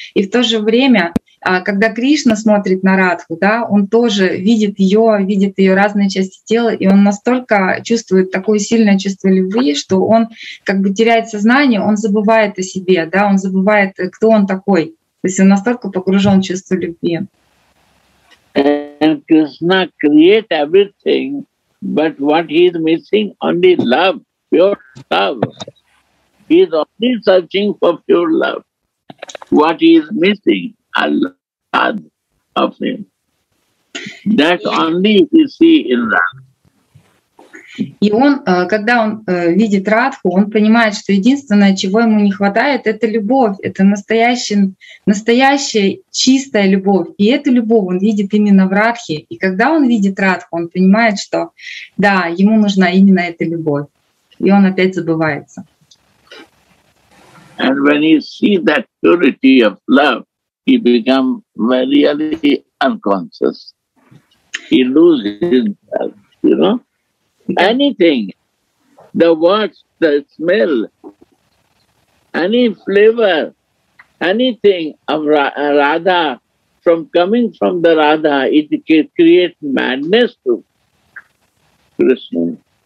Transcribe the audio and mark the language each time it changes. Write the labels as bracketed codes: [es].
[ru] И в то же время, когда Кришна смотрит на Радху, да, он тоже видит ее разные части тела, и он настолько чувствует такое сильное чувство любви, что он как бы теряет сознание, он забывает о себе, да, он забывает, кто он такой. То есть он настолько погружен в чувство любви. [en] And Krishna create everything, but what he is missing only love, pure love. He is only searching for pure love. What he is missing? Аллад of him. That only he see in Radha. [ru] И он, когда он видит Радху, он понимает, что единственное, чего ему не хватает, это любовь, это настоящая чистая любовь. И эту любовь он видит именно в Радхе. И когда он видит Радху, он понимает, что да, ему нужна именно эта любовь. И он опять забывается. [en] And when he see that purity of love, he become very unconscious. He loses himself, you know. Anything, the words, the smell, any flavor, anything of Radha, from coming from the Radha, it creates madness to Krishna.